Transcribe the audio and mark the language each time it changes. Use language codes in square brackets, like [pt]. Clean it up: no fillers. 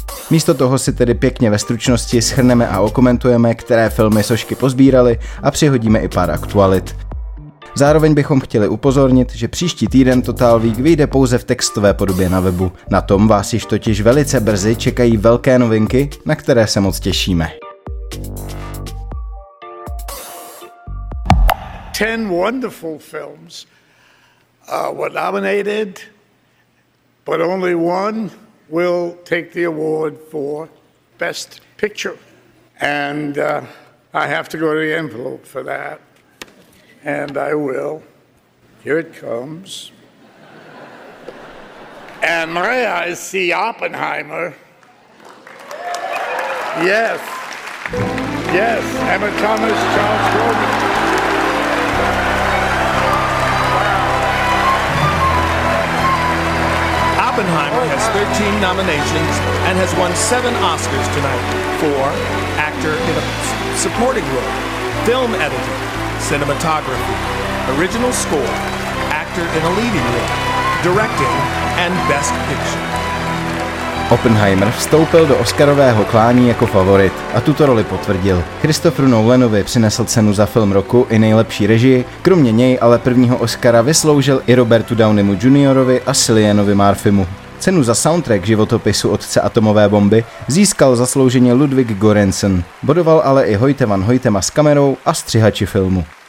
[cs] Místo toho si tedy pěkně ve stručnosti shrneme a okomentujeme, které filmy sošky pozbírali a přihodíme i pár aktualit. Zároveň bychom chtěli upozornit, že příští týden Total Week vyjde pouze v textové podobě na webu. Na tom vás již totiž velice brzy čekají velké novinky, na které se moc těšíme. [en] 10 wonderful films were nominated, but only one will take the award for Best Picture. And I have to go to the envelope for that. And I will. Here it comes. And my eyes see Oppenheimer. Yes. Yes, Emma Thomas, Charles Grodin. Oppenheimer has 13 nominations and has won 7 Oscars tonight for actor in a supporting role, film editing, cinematography, original score, actor in a leading role, directing, and best picture. [cs] Oppenheimer vstoupil do Oscarového klání jako favorit a tuto roli potvrdil. Christopheru Nolanovi přinesl cenu za film roku i nejlepší režii, kromě něj ale prvního Oscara vysloužil i Robertu Downeymu Juniorovi a Cillianovi Murphymu. Cenu za soundtrack životopisu Otce atomové bomby získal zaslouženě Ludwig Göransson, bodoval ale i Hoyte van Hoytema s kamerou a střihači filmu.